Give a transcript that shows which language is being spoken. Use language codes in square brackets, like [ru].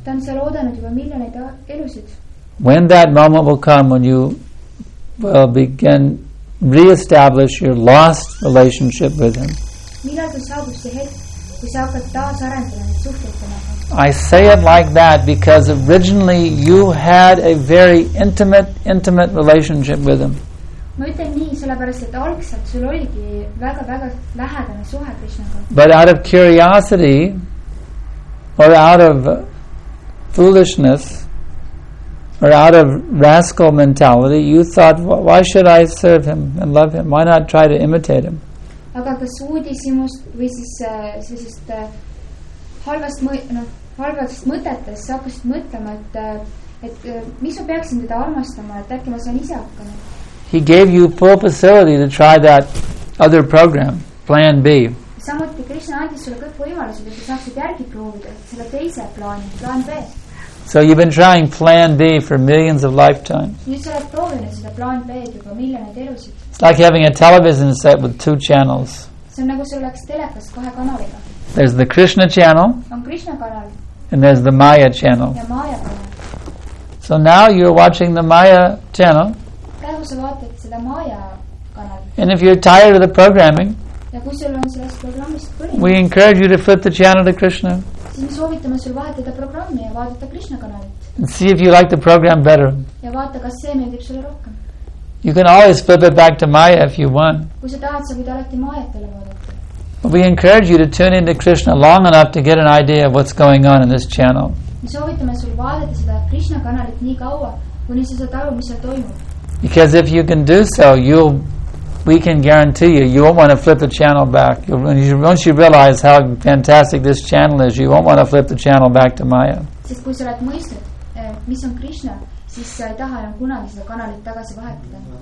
[en] When that moment will come, when you will begin re-establish your lost relationship with him, I say it like that because originally you had a very intimate relationship with him. [et] Ma ütlen nii, sellepärast, et algselt sul oligi väga, väga lähedane suhe Krishnaga. [en] But out of curiosity, or out of foolishness, or out of rascal mentality, you thought, why should I serve him and love him? Why not try to imitate him? [et] Aga kas uudisimust või siis sellest halvast halvast mõtetest sa hakkasid mõtlema, et mis sa peaksin teda armastama, et äkki ma saan ise hakkama. [en] He gave you full facility to try that other program, plan B. [et] Samuti Krishna andis sulle kõik võimalused, et sa saaksid järgi proovida selle teise plaani, plan B. [en] So you've been trying plan B for millions of lifetimes. [et] Nüüd sa oled proovinud seda plan B juba miljoneid elusid. [en] It's like having a television set with two channels. [et] See on nagu sul oleks telekas kahe kanaliga. [en] There's the Krishna channel. [et] On Krishna kanal. [en] And there's the Maya channel. [et] Ja Maya kanal. [en] So now you're watching the Maya channel. [et] Praegu sa vaatad seda Maya kanal. [en] And if you're tired of the programming, [et] ja kui sul on sellest programmist põrinud, [en] we encourage you to flip the channel to Krishna. [et] Siis me soovitame sul vahetada programmi ja vaadata Krishna kanalit. [en] And see if you like the program better. [et] Ja vaata, kas see meeldib sulle rohkem. [en] You can always flip it back to Maya if you want. [et] Kui sa tahad, sa võid alati Mayatele vaadata. [en] But we encourage you to tune into Krishna long enough to get an idea of what's going on in this channel. [et] Me soovitame sul vaadata seda Krishna kanalit nii kaua, kuni sa saad aru, mis seal toimub. [en] Because if you can do so, we can guarantee you, you won't want to flip the channel back. Once you realize how fantastic this channel is, you won't want to flip the channel back to Maya. [et] Sest kui sa oled mõistnud, mis on Krishna, siis sa ei taha enam kunagi seda kanalit tagasi vahetada.